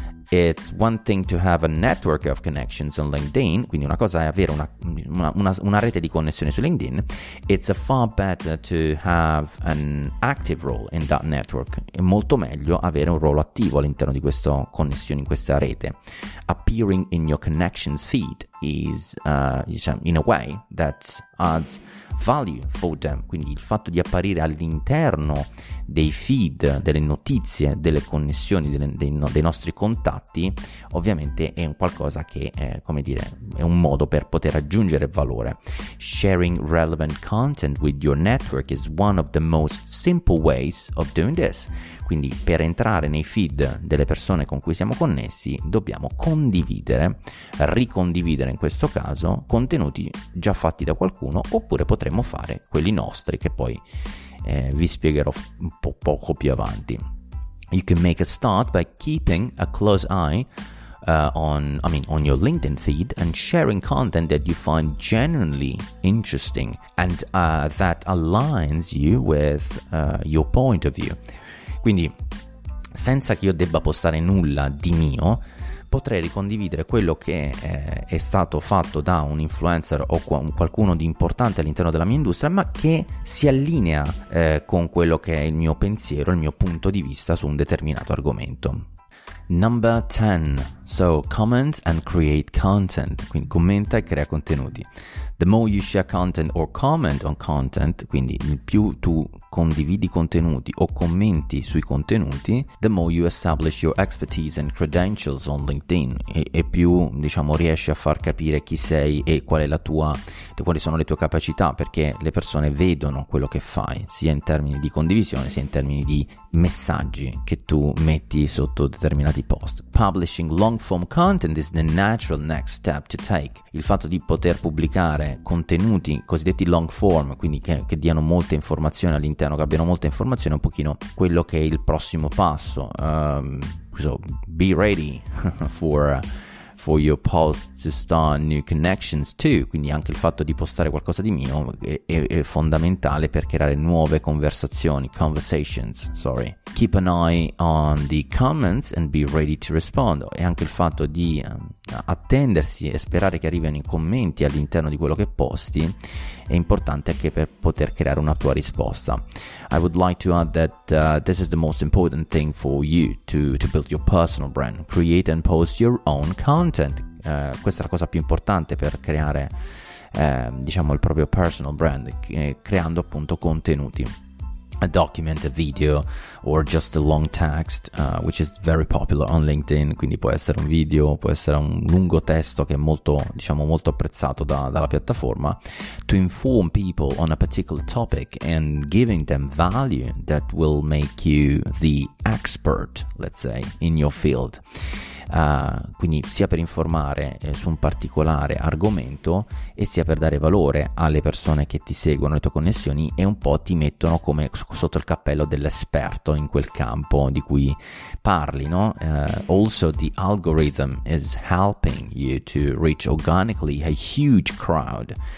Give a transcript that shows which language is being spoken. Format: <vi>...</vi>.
<en>It's one thing to have a network of connections on LinkedIn,</en> <it>quindi una cosa è avere una rete di connessioni su LinkedIn,</it> <en>it's a far better to have an active role in that network,</en> <it>è molto meglio avere un ruolo attivo all'interno di questa connessione, in questa rete.</it> <en>Appearing in your connections feed is in a way that adds value for them,</en> <it>quindi il fatto di apparire all'interno dei feed, delle notizie, delle connessioni, dei nostri contatti, ovviamente è un qualcosa che è, come dire, è un modo per poter aggiungere valore.</it> <en>Sharing relevant content with your network is one of the most simple ways of doing this.</en> <it>Quindi per entrare nei feed delle persone con cui siamo connessi, dobbiamo condividere, ricondividere in questo caso, contenuti già fatti da qualcuno, oppure potremmo fare quelli nostri, che poi vi spiegherò un po' poco più avanti.</it> <en>You can make a start by keeping a close eye on your LinkedIn feed and sharing content that you find genuinely interesting and that aligns you with your point of view.</en> <it>Quindi, senza che io debba postare nulla di mio, potrei ricondividere quello che è stato fatto da un influencer o qualcuno di importante all'interno della mia industria, ma che si allinea con quello che è il mio pensiero, il mio punto di vista su un determinato argomento.</it> <en>Number 10. So comment and create content.</en> <it>Quindi commenta e crea contenuti.</it> <en>The more you share content or comment on content,</en> <it>quindi il più tu condividi contenuti o commenti sui contenuti,</it> <en>the more you establish your expertise and credentials on LinkedIn,</en> <it>e più, diciamo, riesci a far capire chi sei e qual è quali sono le tue capacità, perché le persone vedono quello che fai, sia in termini di condivisione sia in termini di messaggi che tu metti sotto determinati post.</it> <en>Publishing long form content is the natural next step to take.</en> <it>Il fatto di poter pubblicare contenuti cosiddetti long form, quindi che diano molte informazioni all'interno, che abbiano molte informazioni, è un pochino quello che è il prossimo passo.</it> <en>So be ready for your posts to start new connections too.</en> <it>Quindi anche il fatto di postare qualcosa di mio è fondamentale per creare nuove conversations.</it> <en>Keep an eye on the comments and be ready to respond.</en> <it>E anche il fatto di attendersi e sperare che arrivino i commenti all'interno di quello che posti è importante anche per poter creare una tua risposta.</it> <en>I would like to add that this is the most important thing for you to build your personal brand. Create and post your own content.</en> <it>Questa è la cosa più importante per creare, diciamo, il proprio personal brand, creando appunto contenuti.</it> <en>a document, a video, or just a long text, which is very popular on LinkedIn.</en> <it>Quindi può essere un video, può essere un lungo testo che è molto, diciamo, molto apprezzato dalla piattaforma,</it> <en>to inform people on a particular topic and giving them value that will make you the expert, let's say, in your field.</en> <it>Quindi sia per informare su un particolare argomento e sia per dare valore alle persone che ti seguono, le tue connessioni, e un po' ti mettono come sotto il cappello dell'esperto in quel campo di cui parli, no?</it> <en>Also the algorithm is helping you to reach organically a huge crowd.</en>